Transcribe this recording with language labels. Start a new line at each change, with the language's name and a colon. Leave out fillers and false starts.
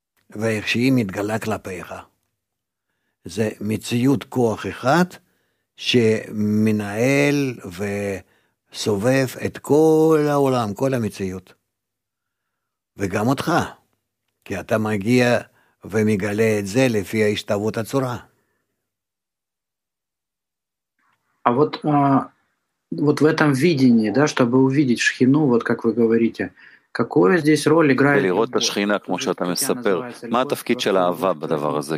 Hebrew: ואיך שהיא מתגלה כלפיך. זה מציאות כוח אחד שמנהל וסובב את כל העולם, כל המציאות. וגם אותך. כי אתה מגיע ומגלה את זה לפי ההשתוות הצורה.
Russian: А вот, вот в этом видении, да, чтобы увидеть шхину, вот как вы говорите, какую здесь роль играет? Или вот шхина,
Hebrew: כמו שאתה מספר, מה התפקיד של האהבה בדבר הזה?